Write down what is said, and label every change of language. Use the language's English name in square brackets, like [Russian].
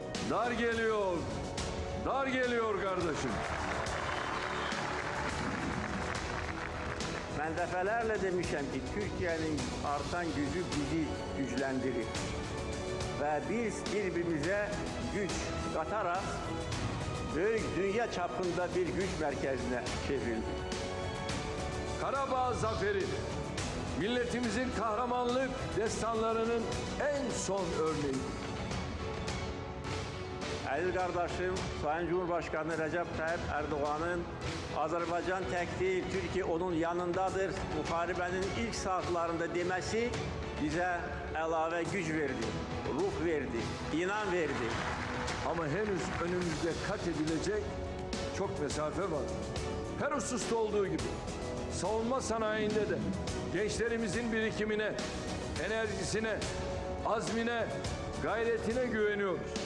[Turkish] Dar geliyor, dar geliyor qardaşım. [Azerbaijani] Mən dəfələrlə demişəm ki, Türkiyənin artan gücü bizi gücləndirir. Və biz bir-birimizə güc qataraq böyük dünya çapında bir güc mərkəzinə çevrildik. Qarabağ zaferi millətimizin qəhrəmanlıq destanlarının ən son örneğidir. Əziz qardaşım, Sayın Cumhurbaşqanı Rəcəb Tayyip Erdoğanın Azərbaycan tək deyil, Türkiyə onun yanındadır. Müharibənin ilk saatlarında deməsi bizə əlavə güc verdi. ruh verdi, inan verdi. [Turkish] Ama henüz önümüzde kat edilecek çok mesafe var. Her hususta olduğu gibi savunma sanayinde de gençlerimizin birikimine, enerjisine, azmine, gayretine güveniyoruz.